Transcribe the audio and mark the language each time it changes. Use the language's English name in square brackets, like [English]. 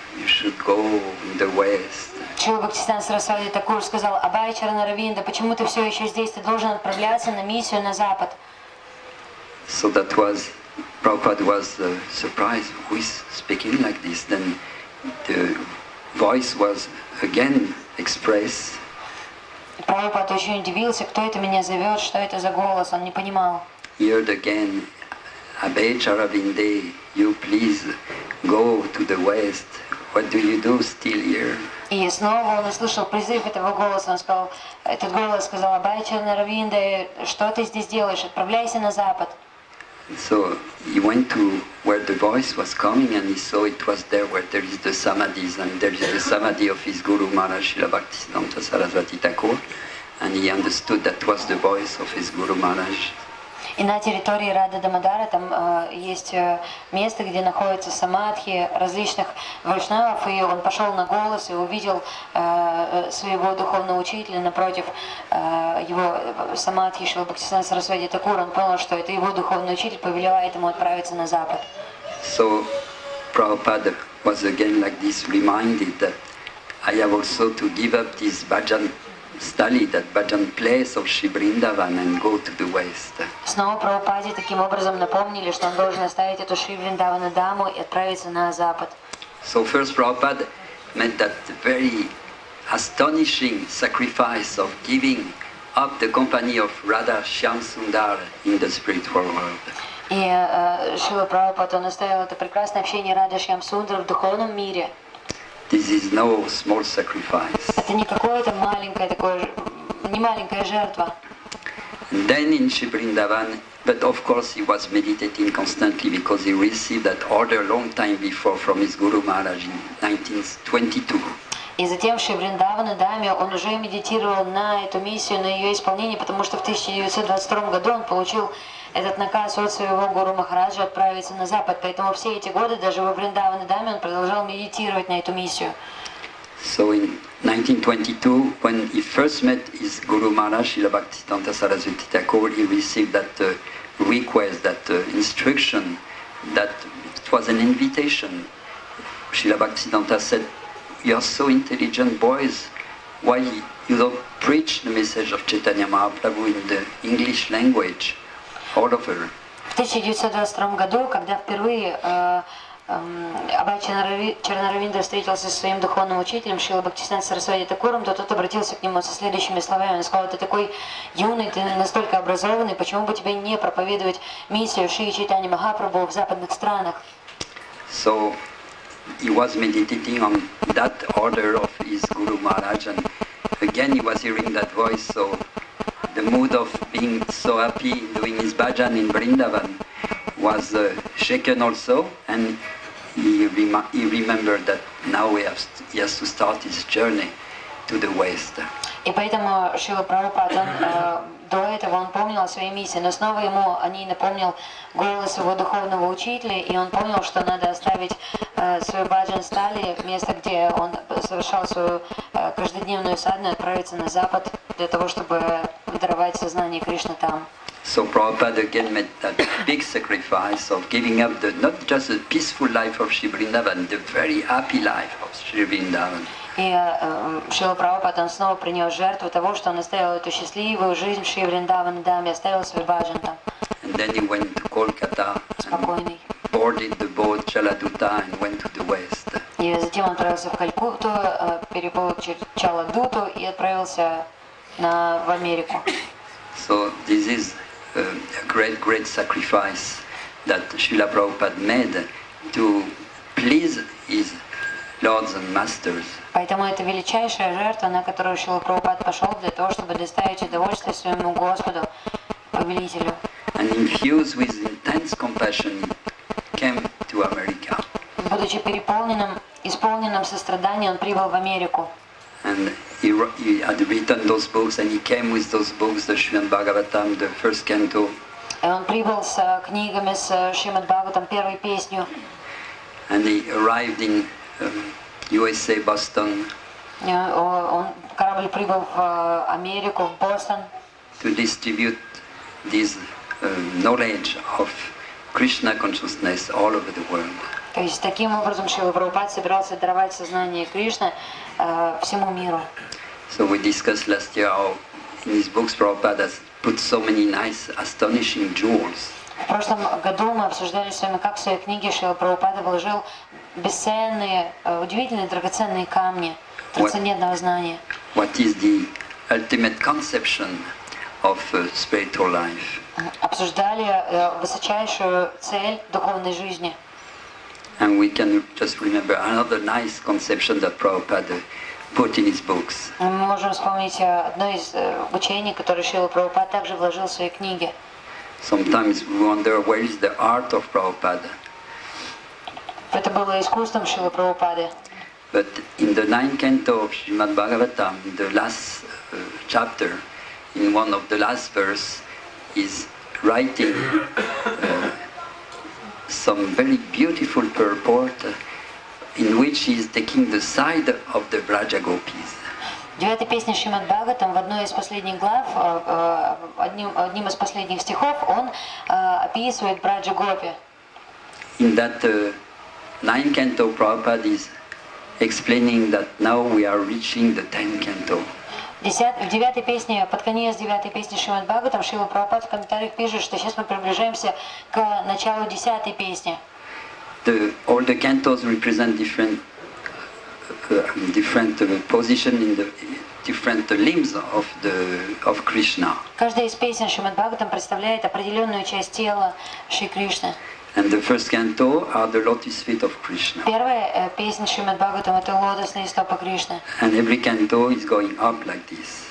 [English] You should go in the west. [Russian] Чила Бхактистан Сарасвати Такур сказал, Абай Чаранаравинда, почему ты все еще здесь? Ты должен отправляться на миссию на запад. [English] So that was, Prabhupada was surprised, who is speaking like this? Then the voice was again expressed. [Russian] Prabhupada очень удивился, кто это меня зовет, что это за голос, он не понимал. [English] Heard again, Abhay Charavinde, you please go to the west. What do you do still here? [Russian] И снова он услышал призыв этого голоса, он сказал, этот голос сказал, Абхай Чаранаравинде, что ты здесь делаешь, отправляйся на запад. [English] So he went to where the voice was coming and he saw it was there where there is the samadhis and there is the samadhi of his Guru Maharaj Srila Bhaktisiddhanta Sarasvati Thakur and he understood that was the voice of his Guru Maharaj. [Russian] И на территории Рады Дамодара там есть место, где находятся самадхи различных вайшнавов, и он пошел на голос и увидел своего духовного учителя напротив его самадхи Шрила Бхактисиддханта Сарасвати Такура. Он понял, что это его духовный учитель повелевает ему отправиться на запад. [English] So Prabhupada was again like this reminded that I have also to give up this bhajan study, that bhajan place of Shri Vrindavan and go to the west. [Russian] Снова Прабхупаде таким образом напомнили, что он должен оставить эту Шри Вриндавана Даму и отправиться на запад. [English] So first Prabhupada meant that very astonishing sacrifice of giving up the company of Radha Shyam Sundar in the spiritual world. [Russian] И Шрила Прабхупада настаивал это прекрасное общение Радха Шьям Сундара в духовном мире. [English] This is no small sacrifice. [Russian] Это не какое-то маленькое такое, не маленькая жертва. [English] And then in Shri Vrindavan, but of course he was meditating constantly because he received that order long time before from his Guru Maharaj in 1922. [Russian] И затем в Шри Вриндаване Даме он уже медитировал на эту миссию, на ее исполнение, потому что в 1922 году он получил этот наказ от своего Гуру Махараджа отправиться на Запад. Поэтому все эти годы, даже во Вриндаване-даме, он продолжал медитировать на эту миссию. [English] So in 1922, when he first met his Guru Maharaj, Srila Bhaktisiddhanta Sarasvati Thakur, he received that request, that instruction, that it was an invitation. Srila Bhaktisiddhanta said, you are so intelligent boys, why you don't preach the message of Chaitanya Mahaprabhu in the English language? [Russian] В 1922 году, когда впервые Абхай Чарнаравиндра встретился со своим духовным учителем Шрила Бхактисиддханта Сарасвати Такуром, то тот обратился к нему со следующими словами. Он сказал, ты такой юный, ты настолько образованный, почему бы тебе не проповедовать миссию Шри Чайтанья Махапрабху в западных странах? [English] So he was meditating on that order of his Guru Maharaj, and again he was hearing that voice, so the mood of being so happy doing his bhajan in Vrindavan was shaken also, and he remembered that now he has to start his journey to the west. [Russian] И поэтому Шрила Прабхупада до этого он помнил о своей миссии, но снова ему о ней напомнил голос своего духовного учителя, и он помнил, что надо оставить свой баджан стали, место, где он совершал свою каждодневную садну, отправиться на запад для того, чтобы даровать сознание Кришны там. [English] So Prabhupada again made that big sacrifice of giving up the not just the peaceful life of Sri Vrindavan, the very happy life of Sri Vrindavan. [Russian] И Шрила Прабхупада снова принес жертву того, что он оставил эту счастливую жизнь в Шри Вриндаване Даме, оставил свой баджан там. [English] And then he went to Kolkata and boarded the boat Chaladuta and went to the west. [Russian] И затем он отправился в Калькутту, переплыл через Чаладуту и отправился в Америку. [English] So this is a great, great sacrifice that Srila Prabhupada made to please his lords and masters. [Russian] Поэтому это величайшая жертва, на которую Шрила Прабхупад пошел для того, чтобы доставить удовольствие своему Господу, повелителю. [English] And infused with intense compassion, came to America. [Russian] Будучи переполненным, исполненным состраданием, он прибыл в Америку. [English] And he had written those books, and he came with those books, the Srimad Bhagavatam, the first canto. [Russian] И он прибыл с книгами, с Шримад Бхагаватам, первой песню. [English] And he arrived in USA, Boston. [Russian] Он корабль прибыл в Америку, в Бостон. [English] To distribute this knowledge of Krishna consciousness all over the world. [Russian] То есть таким образом Шрила Прабхупада собирался даровать сознание Кришны всему миру. [English] So we discussed last year how in his books Prabhupada has put so many nice, astonishing jewels. [Russian] В прошлом году мы обсуждали с вами, как в своей книге Шрила Прабхупада вложил бесценные, удивительные, драгоценные камни трансцендентного знания. [English] What is the ultimate conception of spiritual life? [Russian] Обсуждали высочайшую цель духовной жизни. [English] And we can just remember another nice conception that Prabhupada put in his books. [Russian] Мы можем вспомнить одно из учений, которое Шрила Прабхупада также вложил в свои книги. [English] Sometimes we wonder where is the art of Prabhupada. [Russian] Это было искусством Шрилы Прабхупады. [English] But in the ninth canto of Srimad Bhagavatam, the last chapter, in one of the last verse, is writing some very beautiful purport in which he is taking the side of the Vraja Gopis. [Russian] В девятой песне Шримад Бхагаватам, в одной из последних глав, одним из последних стихов, он описывает Браджа Гопи. [English] In that ninth canto, Prabhupada is explaining that now we are reaching the tenth canto. [Russian] В девятой песне, под конец девятой песни Шримад Бхагаватам, Шрила Прабхупада в комментариях пишет, что сейчас мы приближаемся к началу десятой песни. [English] All the cantos represent different different position in the different limbs of the of Krishna. [Russian] Каждая из песен Шримад Бхагаватам представляет определенную часть тела Шри Кришны. [English] And the first canto are the lotus feet of Krishna. [Russian] Первая песня Шримад Бхагаватам это лотосные стопы Кришны. [English] And every canto is going up like this.